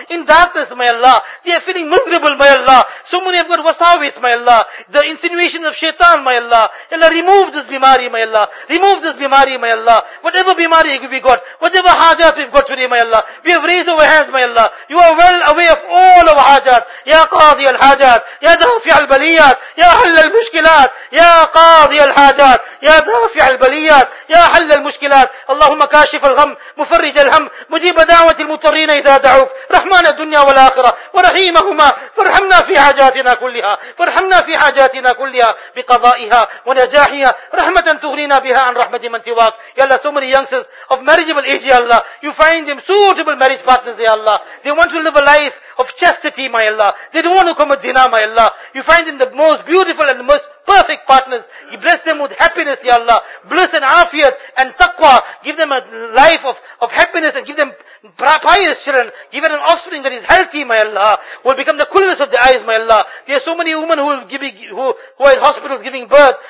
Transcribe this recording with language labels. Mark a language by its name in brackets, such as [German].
[English] In darkness, my Allah. They are feeling miserable, my Allah. So many have got wasawis, my Allah. The insinuations of shaitan, my Allah. Ya Allah, remove this bimari, my Allah. Remove this bimari, my Allah. Whatever bimari we got, whatever hajat we've got today, my Allah. We have raised our hands, my Allah. You are well aware of all our hajat. [Arabic] Ya قاضي الحاجات يا دافع البليات يا حل المشكلات يا قاضي الحاجات يا دافع البليات يا حل المشكلات اللهم كاشف الغم مفرج الهم مجيب دعوة المضطرين إذا دعوك رحمن الدنيا والآخرة ورحيمهما فارحمنا في حاجاتنا كلها فارحمنا في حاجاتنا كلها بقضائها ونجاحها رحمة تغنينا بها عن رحمة من سواك يا الله [English] so many youngsters of marriageable age يا الله you find them suitable marriage partners يا الله they want to live a life of chastity my Allah They don't want to commit zina, my Allah. You find in the most beautiful and the most perfect partners. You bless them with happiness, ya Allah. Bliss and afiyat and taqwa. Give them a life of happiness and give them pious children. Give them an offspring that is healthy, my Allah. Will become the coolness of the eyes, my Allah. There are so many women who are in hospitals giving birth.